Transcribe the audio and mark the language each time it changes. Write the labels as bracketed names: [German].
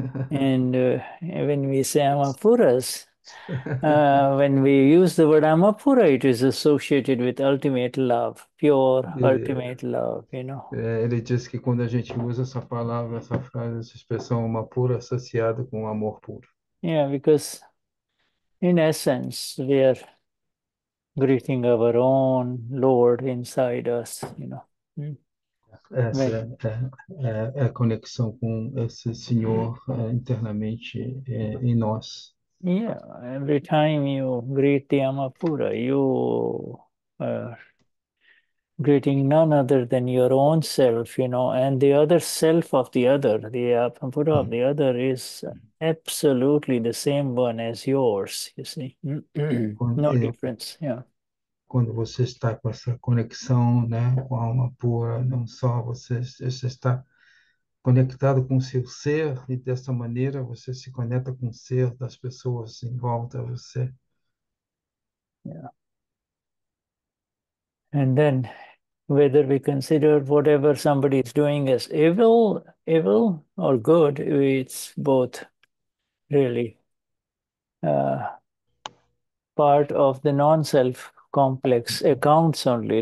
[English] And when we say Amafuras, when we use the word Amapura, it is associated with ultimate love, pure ultimate love, you know. [Portuguese] Ele disse que quando a gente usa essa palavra, essa frase, essa expressão, uma pura associada com amor puro. [English] Yeah, because in essence, we are greeting our own Lord inside us, you know. [Portuguese] Bem. Essa é a conexão com esse Senhor internamente em nós. [English] Yeah, every time you greet the Amapura, you are greeting none other than your own self, you know, and the other self of the other, the Amapura of the other, is absolutely the same one as yours, you see. No difference, yeah. [Portuguese] Quando você está com essa conexão, né, com a alma pura, não só você está conectado com o seu ser, e dessa maneira você se conecta com o ser das pessoas em volta de você. [English] And then, whether we consider whatever somebody is doing as evil or good, it's both really part of the non-self complex accounts only.